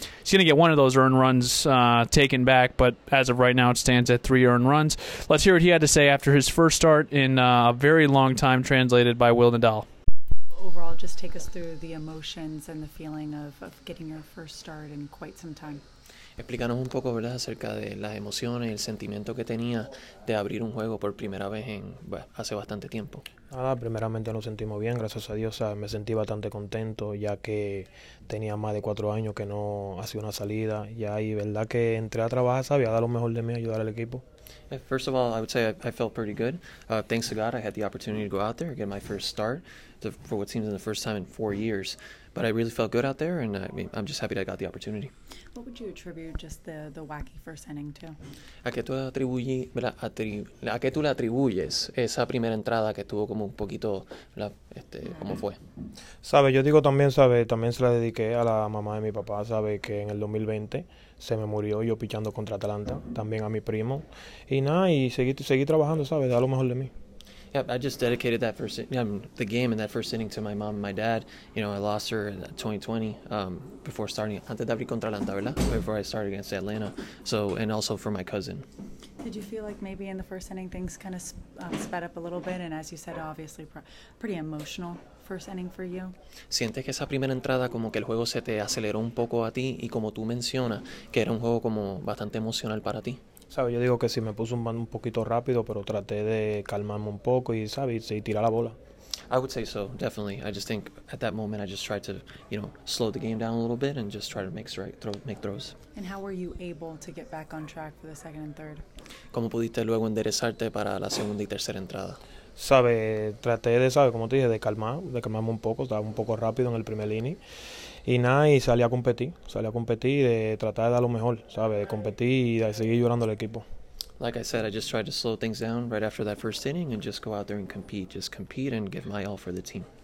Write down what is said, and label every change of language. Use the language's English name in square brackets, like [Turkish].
[English] He's going to get one of those earned runs taken back, but as of right now, it stands at 3 earned runs. Let's hear what he had to say after his first start in a very long time, translated by Will Nadal. Overall, just take us through the emotions and the feeling of getting your first start in quite some time. [Spanish] Explícanos un poco, ¿verdad?, acerca de las emociones y el sentimiento que tenía de abrir un juego por primera vez en, bueno, hace bastante tiempo. Nada, primeramente nos sentimos bien, gracias a Dios, me sentí bastante contento ya que tenía más de 4 años que no hacía una salida ya, y verdad que entré a trabajar, sabía dar lo mejor de mí, ayudar al equipo. [English] First of all, I would say I felt pretty good. Thanks to God, I had the opportunity to go out there and get my first start for what seems like the first time in 4 years. But I really felt good out there, and I mean, I'm just happy that I got the opportunity. What would you attribute just the wacky first inning to? [Spanish] ¿A qué tú le atribuyes esa primera entrada que tuvo como un poquito, cómo fue? Sabe, yo digo también, sabe, también se la dediqué a la mamá de mi papá, sabe, que en el 2020 se me murió yo pichando contra Atlanta, también a mi primo, y nada, y seguí trabajando, sabe, da lo mejor de mí. [English] Yeah, I just dedicated that the game and that first inning to my mom and my dad. You know, I lost her in 2020 before starting. [Spanish] Antes de abrir contra Atlanta, ¿verdad? [English] Before I started against Atlanta. So, and also for my cousin. Did you feel like maybe in the first inning things kind of sped up a little bit? And as you said, obviously, pretty emotional first inning for you. [Spanish] Sientes que esa primera entrada como que el juego se te aceleró un poco a ti, y como tú mencionas que era un juego como bastante emocional para ti. Sabe, yo digo que sí, me puse un bando un poquito rápido, pero traté de calmarme un poco y, sabe, y tirar la bola. [English] I would say so, definitely. I just think at that moment I just tried to, you know, slow the game down a little bit and just try to make throws. And how were you able to get back on track for the second and third? [Spanish] ¿Cómo pudiste luego enderezarte para la segunda y tercera entrada? Sabe, traté de, sabe, como te dije, de calmarme un poco, estaba un poco rápido en el primer inning. Y nada, y salí a competir, de tratar de dar lo mejor, ¿sabes? De competir y de seguir ayudando al equipo. [English] Like I said, I just tried to slow things down right after that first inning and just go out there and compete. Just compete and give my all for the team.